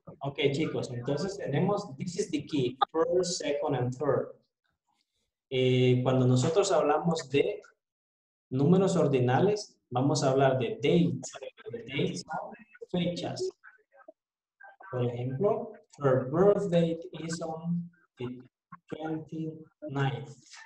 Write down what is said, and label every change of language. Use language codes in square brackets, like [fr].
[es] Ok, chicos, entonces tenemos, [en] this is the key, first, second and third. [es] Cuando nosotros hablamos de números ordinales, vamos a hablar de dates. De dates, fechas. Por ejemplo, [en] her birth date is on the 29th.